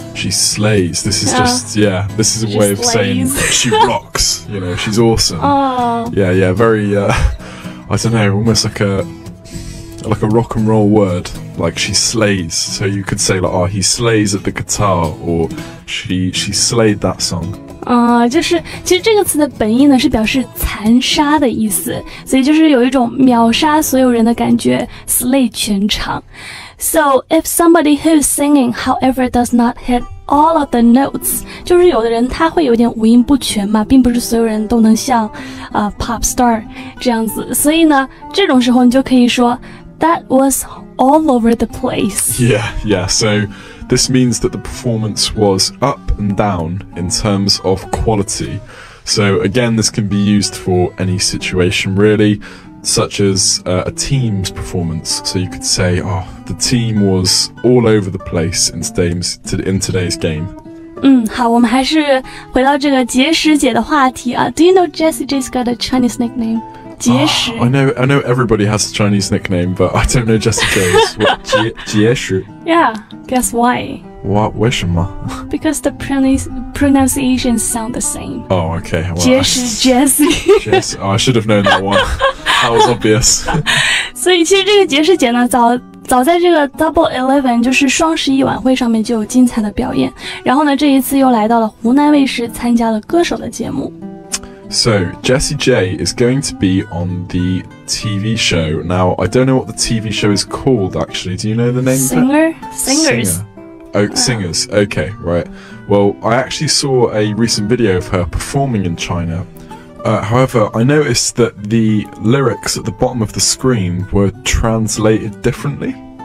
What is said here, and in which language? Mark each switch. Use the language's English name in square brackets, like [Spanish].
[English] she slays this is just yeah this is a way of saying she rocks you know she's awesome yeah yeah very I don't know almost like a rock and roll wordLike, she slays. So you could say, like, oh, he slays at the guitar, or she slayed that song. [Chinese] 就是其实这个词的本意呢是表示残杀的意思。所以就是有一种秒杀所有人的感觉 slay 全场。 [English] So if somebody who's singing, however, does not hit all of the notes, [Chinese] 就是有的人他会有点五音不全嘛并不是所有人都能像pop star 这样子。所以呢这种时候你就可以说 [English] that was horrible. All over the place. Yeah, yeah. So this means that the performance was up and down in terms of quality. So again, this can be used for any situation really, such as a team's performance. So you could say, oh, the team was all over the place in today's game. [Chinese] 好，我们还是回到这个结石姐的话题啊。 [English] Do you know Jessie J's got a Chinese nickname? [Chinese] 结石、 [English] oh, I know everybody has a Chinese nickname, but I don't know Jessie J's. 结石 Yeah, guess why? What? [Chinese] 为什么 [English] Because the pronunciations sound the same. Oh, okay. Well, Jesse. Oh, I should have known that one. That was obvious. [Chinese] 所以其实这个杰士杰呢，早在这个 Double Eleven 就是双十一晚会上面就有精彩的表演，然后呢，这一次又来到了湖南卫视参加了歌手的节目。 [English] So, Jessie J is going to be on the TV show. Now, I don't know what the TV show is called, actually. Do you know the name? Singers. Okay, right. Well, I actually saw a recent video of her performing in China. However, I noticed that the lyrics at the bottom of the screen were translated differently.